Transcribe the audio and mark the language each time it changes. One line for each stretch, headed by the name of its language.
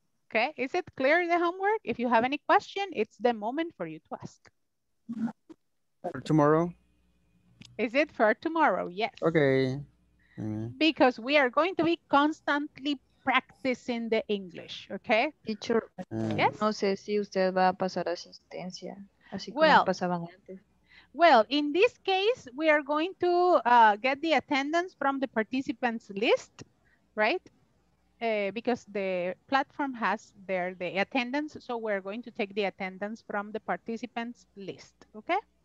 English: Okay, is it clear in the homework? If you have any question, it's the moment for you to ask. For tomorrow? Is it for tomorrow? Yes. Okay. Because we are going to be constantly practicing the English, okay? Teacher, yes?
Spanish: No sé si usted va a pasar asistencia, así como pasaban antes.
English: Well, in this case, we are going to get the attendance from the participants list, right? Because the platform has there the attendance, so we're going to take the attendance from the participants list, okay?